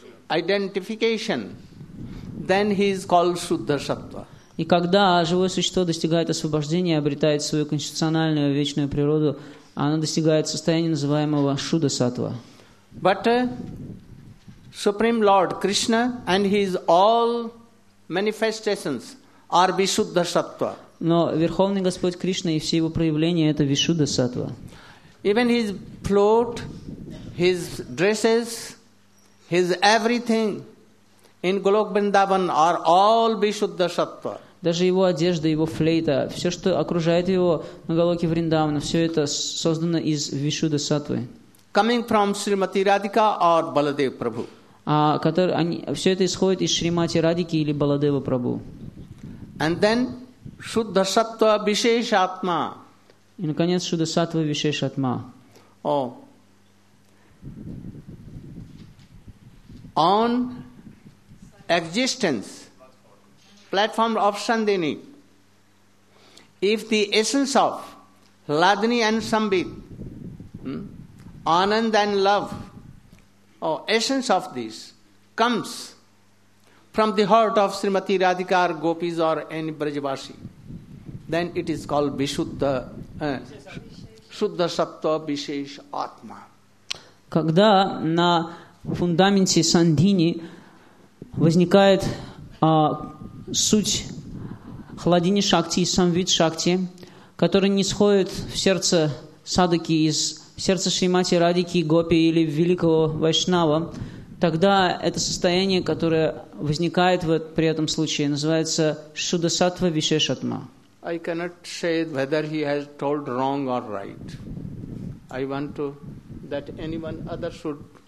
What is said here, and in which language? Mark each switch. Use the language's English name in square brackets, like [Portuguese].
[English] Identification, then he is called Shuddha Sattva. [Russian] И когда живое существо достигает освобождения, обретает свою конституциональную вечную природу, оно достигает состояния, называемого Шуддха Сатва. [English] But Supreme Lord Krishna and his all manifestations are Vishuddha Sattva. [Russian] Но Верховный Господь Кришна и все его проявления – это Вишуддха Сатва. [English] Even his float, his dresses, his everything in Golok Vrindavan are all Vishuddha Sattva. [Russian] Даже его одежда, его флейта, все, что окружает его на Голоке Вриндавана, все это создано из Вишуддха Сатвы. [English] Coming from Srimati Radhika or Baladev Prabhu. [Russian] Все это исходит из Шримати Радики или Баладева Прабху. [English] And then Shuddha Sattva Visheshatma. [Russian] И наконец Shuddha Sattva Visheshatma. [English] On existence, platform of Sandini, if the essence of Ladini and Sambit, Anand and love, essence of this comes from the heart of Srimati Radhika or Gopis or any Brajavasi, then it is called Vishuddha, Shuddha Sattva Vishesh Atma. [Russian] Когда на фундаменте сандини возникает суть Хладини Шакти, Самвид Шакти, который нисходит в сердце Садаки, из сердца Шримати Радики, Гопи или Великого Вайшнава, тогда это состояние, которое возникает вот при этом случае, называется Шудасатва Вишешатма. [English] I cannot say whether he has told wrong or right. I want to that anyone other should.